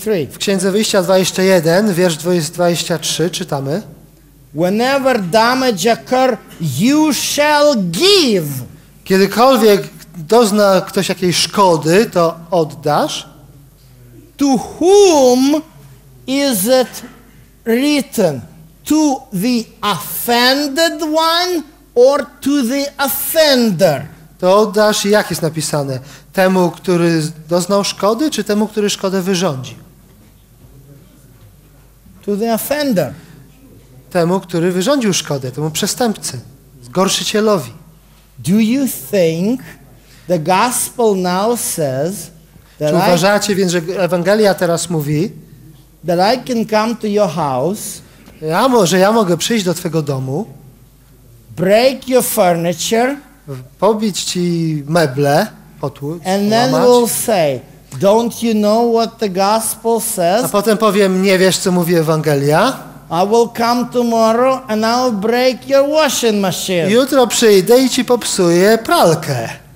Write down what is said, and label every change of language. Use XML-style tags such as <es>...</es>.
<pl>W Księdze Wyjścia 21, wiersz 23 czytamy.</pl> <en>Whenever damage occur, you shall give.</en> <pl>Kiedykolwiek dozna ktoś jakiejś szkody, to oddasz.</pl> <en>To whom is it written? To the offended one or to the offender?</en> <pl>To oddasz, jak jest napisane? Temu, który doznał szkody, czy temu, który szkodę wyrządzi?</pl> <en>To the offender.</en> <pl>Temu, który wyrządził szkodę, temu przestępcy, zgorszycielowi.</pl> <en>Do you think the gospel now says that</en> <pl>czy uważacie więc, że Ewangelia teraz mówi,</pl> <en>that I can come to your house,</en> <pl>że ja mogę przyjść do twego domu,</pl> <en>break your furniture,</en> <pl>pobić ci meble, potłuc,</pl> <en>and then</en> <pl>łamać.</pl> <en>We'll say, don't you know what the gospel says?</en> <pl>A potem powiem, nie wiesz, co mówi Ewangelia?</pl> <en>I will come tomorrow and I'll break your washing machine.</en> <pl>Jutro przyjdę i ci popsuję pralkę.</pl>